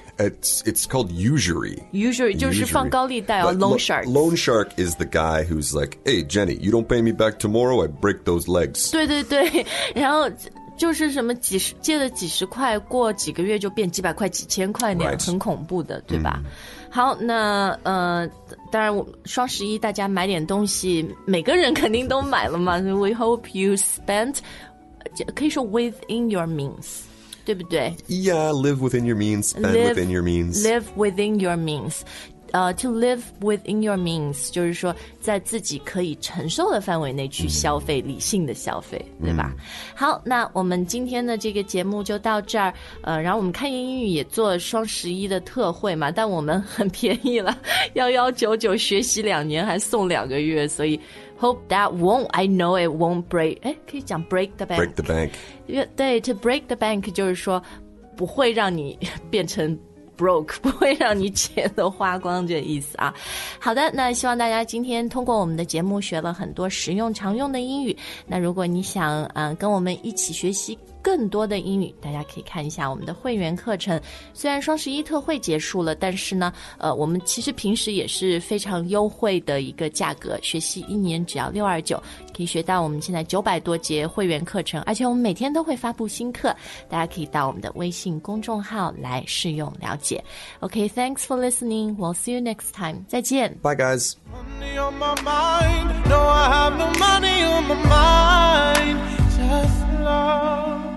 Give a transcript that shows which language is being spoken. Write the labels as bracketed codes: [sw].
[en] it's called usury [zh] 就是放高利贷哦 loan shark [en] loan shark is the guy who's like hey Jenny you don't pay me back tomorrow I break those legs [zh] 对对对然后就是什么几十借了几十块过几个月就变几百块几千块那样、 [en] right. [zh] 很恐怖的对吧、mm. 好那当然双十一大家买点东西每个人肯定都买了嘛 [en] We hope you spent [zh] 可以说 within your means 对不对 [en] Yeah, live within your means Spend within your means Live within your means [zh] to live within your means, 就是说在自己可以承受的范围内去消费、理性的消费，对吧？好，那我们今天的这个节目就到这儿。然后我们看英语也做双十一的特惠嘛，但我们很便宜了，1199学习两年还送两个月，所以 [en] Hope that won't, I know it won't break. [zh] 诶，可以讲 break the bank. [en] Break the bank. [zh] 对， to break the bank 就是说不会让你变成 broke, 不会让你钱都花光这意思啊。好的，那希望大家今天通过我们的节目学了很多实用常用的英语。那如果你想跟我们一起学习更多的英语，大家可以看一下我们的会员课程。虽然双十一特惠结束了，但是呢我们其实平时也是非常优惠的一个价格，学习一年只要629，可以学到我们现在900多节会员课程，而且我们每天都会发布新课，大家可以到我们的微信公众号来试用了解。 [en] OK, thanks for listening, we'll see you next time, [zh] 再见。 [en] Bye guys. Money on my mind, no I have no money on my mind, just love.